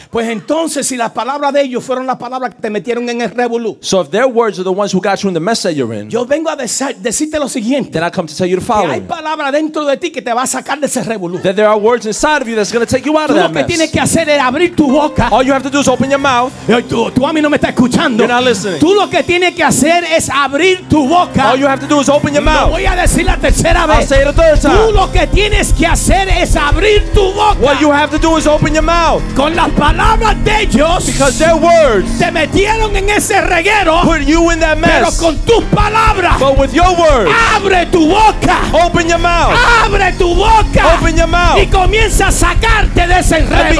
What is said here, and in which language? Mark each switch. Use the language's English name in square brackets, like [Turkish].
[Spanish] Pues entonces, si las palabras de ellos fueron las palabras que te metieron en el revolú. [English] So if their words are the ones who got you in the mess that you're in. [Spanish] Yo vengo a decirte lo siguiente. [English] Then I come to tell you the following. [Spanish] Que hay palabras dentro de ti que te va a sacar de ese revolú. [English] That there are words inside of you that's going to take you out of that mess. [Spanish] Lo que tienes que hacer es abrir tu boca. [English] All you have to do is open your mouth. [Spanish] Tú a mí no me estás escuchando. [English] You're not listening. [Spanish] Tú lo que tienes que hacer es abrir tu boca. [English] All you have to do is open your mouth. [Spanish] Lo voy a decir la tercera vez. [English] I'll say it a third time. [Spanish] Tú lo que tienes que hacer es abrir tu boca. [English] What you have to do is open your mouth. [Spanish] Con las palabras de ellos, [English] because their words [Spanish] te metieron en ese reguero, [English] put you in that mess. [Spanish] Pero con tus palabras, [English] but with your words, [Spanish] abre tu boca. [English] Open your mouth. [Spanish] Abre tu boca. [English] Open your mouth. [Spanish] Y comienza a sacarte de ese enredo.